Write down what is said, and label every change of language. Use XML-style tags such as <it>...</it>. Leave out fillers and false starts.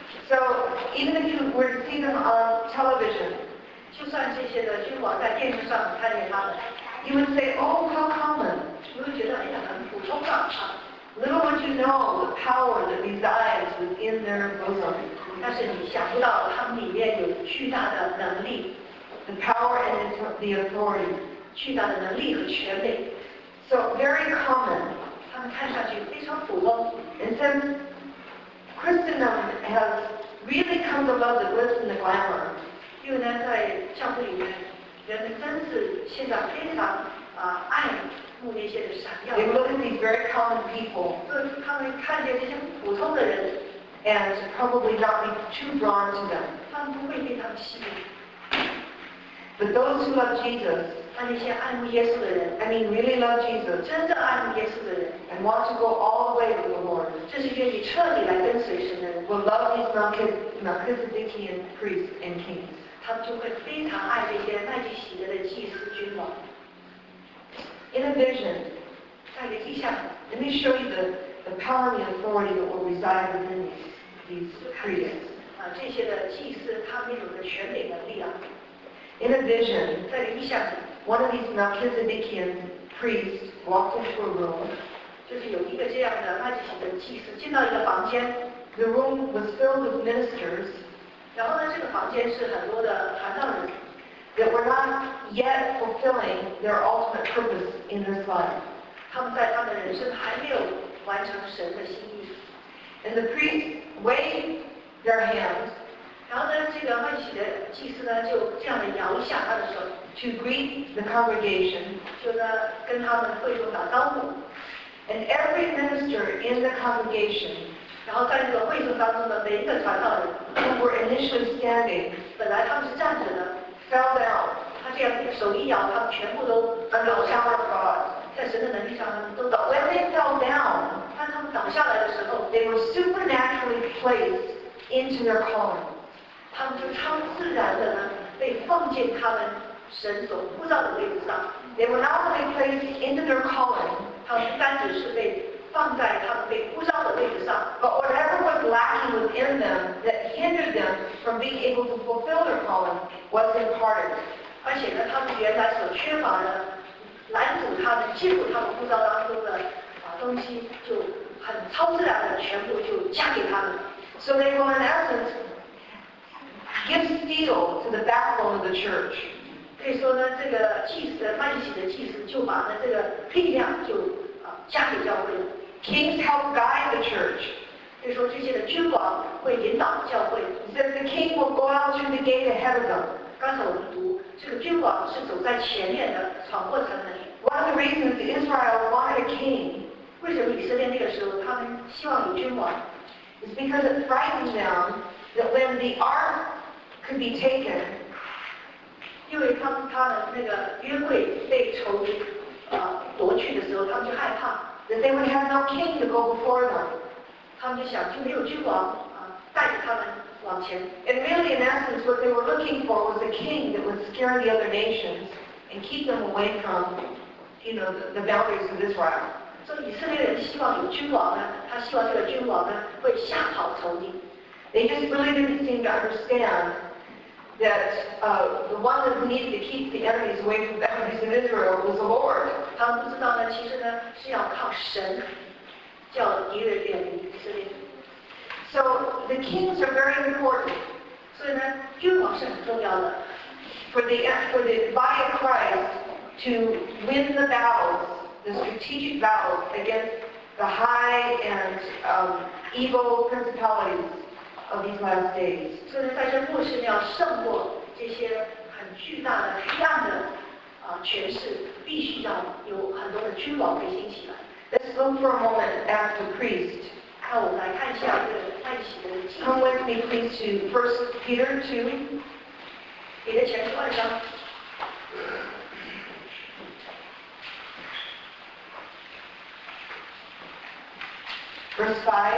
<en>So, even if you were to see them on television,</en> <zh>就算这些的君王在电视上看见他们</zh> <en>，You would say, "Oh, how common!"</en> <zh>你会觉得哎呀很普通啊。</zh> <en>Little would you know the power that resides within their bosom.</en> <zh>但是你想不到他们里面有巨大的能力</zh> <en>，the power and the authority.</en> <zh>巨大的能力和权力。</zh> <en>So very common.</en> <zh>他们看上去非常普通。</zh> <en>And since Christendom has really come about the glitz and the glamour.</en> <zh>因为呢，在教会里面，人们真是现在非常爱慕那些的闪耀。</zh> <en>They look at these very common people.</en> <zh>就是他们看见这些普通的人</zh> <en>，and probably not be too drawn to them.</en> <zh>他们不会被他们吸引。</zh> <en>But those who love Jesus,</en> <zh>那那些爱慕耶稣的人</zh> <en>，I mean really love Jesus,</en> <zh>真正爱慕耶稣的人</zh> <en>，and want to go all the way with the Lord,</en> <zh>这是愿意彻底来跟随神的人</zh> <en>，will love these Melchizedekian priests and kings.</en> <zh>他们就会非常爱这些麦基洗德的祭司君王。</zh> <en>In a vision,</en> <zh>在一个意象</zh> <en>，Let me show you the power and the authority that will reside within these priests.</en> <zh>啊，这些的祭司他们有的权柄能力啊。</zh> <en>In a vision,</en> <zh>在一个意象</zh> <en>one of these Melchizedekian priests walked into a room.</en> <zh>就是有一个这样的麦基洗德祭司进到一个房间。</zh> <en>The room was filled with ministers.</en> <zh>然后呢，这个房间是很多的传道人。</zh> <en>That were not yet fulfilling their ultimate purpose in this life.</en> <zh>他们在他们的人生还没有完成神的心意。</zh> <en>And the priests waved their hands.</en> <zh>然后呢，这个麦喜的祭司呢，就这样的摇下他的手</zh> <en>，to greet the congregation，</en> <zh>就呢跟他们会众打招呼。</zh> <en>And every minister in the congregation，</en> <zh>然后在这个会众当中的每一个传道人</zh> <en>，who were initially standing，</en> <zh>本来他们是站着的</zh> <en>，fell down，</en> <zh>他这样手一摇，他们全部都倒下了。在神的能力上，他们都倒。</zh> <en>When they fell down，</en> <zh>当他们倒下来的时候</zh> <en>，they were supernaturally placed into their calling。</en> <zh>他们就超自然的呢，被放进他们神所呼召的位置上。</zh> <en>They were not only placed into their calling，</en> <zh>他们不单只是被放在他们被呼召的位置上。</zh> <en>But whatever was lacking within them that hindered them from being able to fulfill their calling was imparted。</en> <zh>而且呢，他们原来所缺乏的，拦阻他们进入他们呼召当中的东西，就很超自然的全部就加给他们。</zh> <en>So they were in essence。 Give steel to the backbone of the church.</en> <zh>可以说呢，这个祭司麦喜的祭司就把呢这个力量就加给教会。</zh> <en>Kings help guide the church.</en> <zh>可以说这些的君王会引导教会。</zh> <en>Then the king will go out through the gate ahead of them.</en> <zh>刚才我们读，这个君王是走在前面的，闯过城门。</zh> <en>One of the reasons Israel wanted a king.</en> <zh>为什么以色列那个时候他们希望有君王</zh> <en>？It's because it frightens them that when the ark could be taken，</en> <zh>因为他们那个约柜被仇敌夺去的时候，他们就害怕。</zh> <en>That they would have no king to go before them，</en> <zh>他们就想就没有君王带着他们往前。</zh> <en>And really, in essence, what they were looking for was a king that would scare the other nations and keep them away from, you know, the boundaries of Israel。</en> <zh>所以以色列人希望有君王呢，他希望这个君王呢会吓跑仇敌。</zh> <en>They just really didn't seem to understand that the one that needed to keep the enemies away from the enemies of Israel was the Lord.</en> <zh>他们不知道呢，其实呢是要靠神叫敌人远离以色列。</zh> <en>So the kings are very important.</en> <zh>所以呢，君王是很重要的。</zh> <en>For the by Christ to win the battles, the strategic battles against the high and evil principalities. Of these last days.</en> <zh>所以在这末世要胜过这些很巨大的黑暗的权势，必须要有很多的君王被兴起来。</zh> <en>Let's look for a moment at the priest.</en> <zh>那我们来看一下这个麦喜的祭司。</zh> <en>Come with me, please, to 1 Peter 2.</en> <zh>彼得前书二章。</zh> <en>Verse 5.</en>